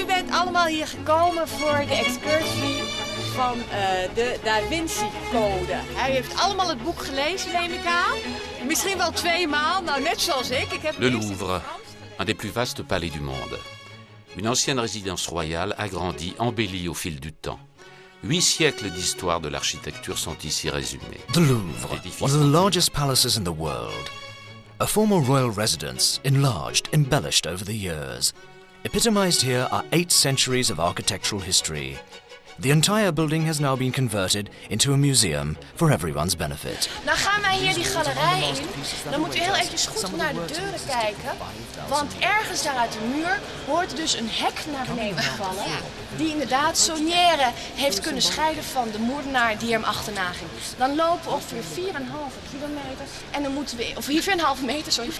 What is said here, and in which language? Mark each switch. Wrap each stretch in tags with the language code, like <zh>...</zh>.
<nl>Allemaal hier gekomen voor de excursie van de Da Vinci Code. Hij heeft allemaal het boek gelezen, neem ik aan. Misschien wel 2 maal, nou net zoals ik. Ik heb</nl> <fr>Le Louvre, un des plus vastes palais du monde. Une ancienne résidence royale agrandie, embellie au fil du temps. 8 siècles d'histoire de l'architecture sont ici résumés.</fr> <en>The Louvre, one of the largest palaces in the world. A former royal residence, enlarged, embellished over the years. Epitomized here are 8 centuries of architectural history. The entire building has now been converted into a museum for everyone's benefit.</en> <nl>Nou gaan wij hier die galerij in. Dan moet u heel even goed naar de deuren kijken. Want ergens daar uit de muur hoort dus een hek naar beneden vallen. Die inderdaad Saunière heeft kunnen scheiden van de moordenaar die hem achterna ging. Dan lopen we ongeveer 4,5 kilometer. En dan moeten we, of 4,5 meter, sorry.</nl>